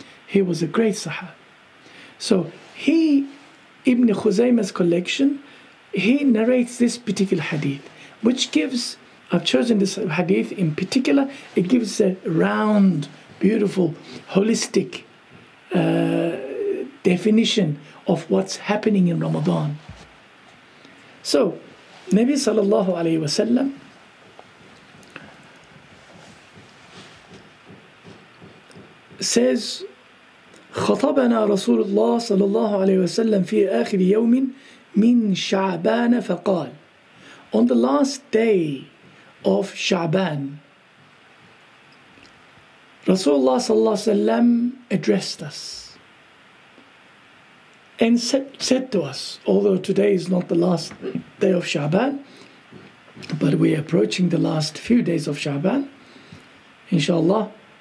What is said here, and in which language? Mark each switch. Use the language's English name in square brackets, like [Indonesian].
[English] He was a great Sahab. So he, Ibn Khuzaymah's collection, he narrates this particular hadith, which gives, I've chosen this hadith in particular, it gives a round, beautiful, holistic definition of what's happening in Ramadan. So, Nabi Sallallahu Alaihi Wasallam, says, [Arabic] خطبنا رسول الله صلى الله عليه وسلم في آخر يوم من شعبان فقال. [English] On the last day of Sha'ban, [Arabic] رسول الله صلى الله عليه وسلم [English] addressed us and said to us, although today is not the last day of Sha'ban, but we are approaching the last few days of Sha'ban, inshallah.